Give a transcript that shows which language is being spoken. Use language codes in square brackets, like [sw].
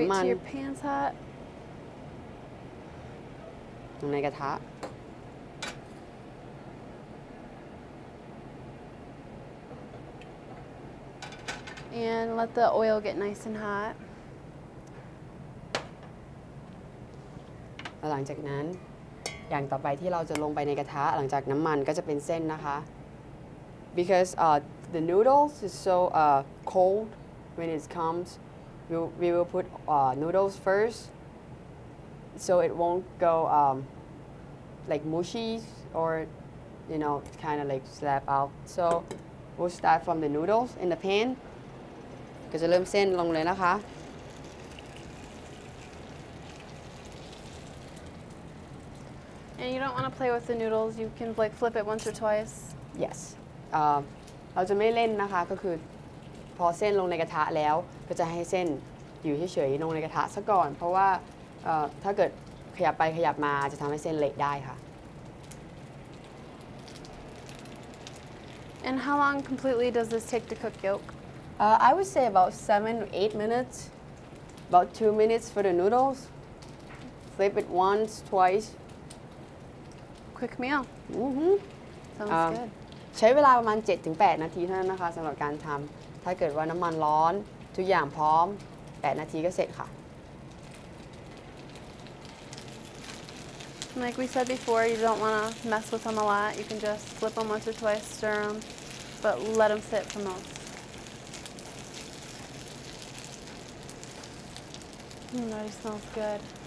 [en] You have to wait till your pan's hot. I'm gonna get hot. And let the oil get nice and hot. [th] หลังจากนั้นอย่างต่อไปที่เราจะลงไปในกระทะหลังจากน้ำมันก็จะเป็นเส้นนะคะ [en] Because the noodles is so cold when it comes. We will put noodles first, so it won't go like mushy or you know kind of like slap out. So we'll start from the noodles in the pan. [th] ก็จะเริ่มเส้นลงเลยนะคะ [en] And you don't want to play with the noodles. You can like flip it once or twice. Yes. [th] เราจะไม่เล่นนะคะก็คือพอเส้นลงในกระทะแล้วก็จะให้เส้นอยู่เฉยๆลงในกระทะซะก่อนเพราะว่าถ้าเกิดขยับไปขยับมาจะทำให้เส้นเละได้ค่ะ [en] And how long completely does this take to cook yolk? I would say about 7-8 minutes. About 2 minutes for the noodles. Flip it once, twice. Quick meal. Mm-hmm. Sounds good. [th] ใช้เวลาประมาณ 7-8 นาทีเท่านั้นนะคะสำหรับการทำถ้าเกิดว่าน้ำมันร้อนทุกอย่างพร้อม8นาทีก็เสร็จค่ะ [en] Like we said before you don't want to mess with them a lot you can just flip them once or twice stir them but let them sit for most that smells good